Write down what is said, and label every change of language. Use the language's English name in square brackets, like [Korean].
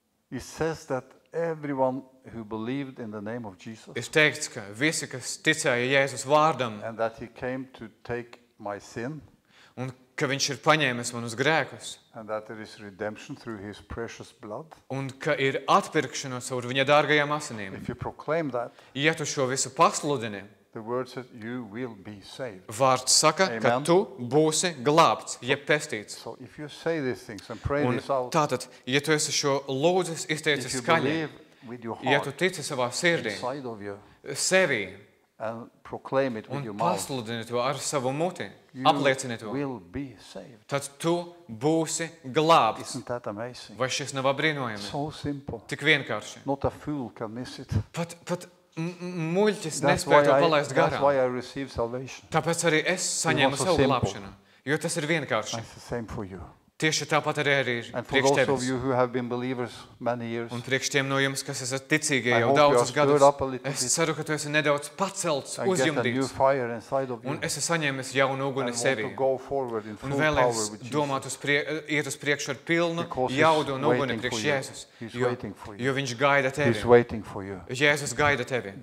[English] It says that everyone who believed in the name of Jesus. [Latvian] Es teicu, ka visi, kas ticēja Jēzus vārdam. [English] And that he came to take my sin. [Latvian] Un ka viņš ir paņēmis manus grēkus. [English] And that there is redemption through his precious blood. [Latvian] Un ka ir atpirkšana caur viņa dārgajām asinīm. [English] If you proclaim that. [Latvian] Ja tu šo visu pasludini. [English] The word says you will be saved. [Latvian] Vārds saka, Amen. Ka tu būsi glābts, jeb pestīts. [English] So if you say these things and pray this out. [Latvian] Tātad, ja tu esi šo lūdzis, izteicis skaļi. Ja tu tici savā sirdī. Sevī. [English] And proclaim it with [Latvian] un [English] your mouth. [Latvian] Un pasludini to ar savu muti. Apliecini to. [English] You will be saved. [Latvian] Tad tu būsi glābts. [English] Isn't that amazing? [Latvian] Vai šis nav brīnojami? [English] So simple. [Latvian] Tik vienkārši. [English] Not a fool can miss it. [Latvian] Pat muļķis nespēja to palaist garā. [English] That's why I receive salvation. [Latvian] Tāpēc arī es saņēmu savu glābšanu. Jo tas ir vienkārši. [English] It's the same for you. [Latvian] Tieši tāpat arī ir priekš tevis. [English] And for those of you who have been believers many years. [Latvian] Un priekš tiem no jums, kas esat ticīgie jau daudzus gadus. Es ceru, ka tu esi nedaudz pacelts, uzjumdīts. Un esi saņēmis jaunu uguni sevī. Un vēlēs domāt uz priekšu ar pilnu jaudu un uguni priekš Jēzus. Jo viņš gaida tevi. Jēzus gaida tevi.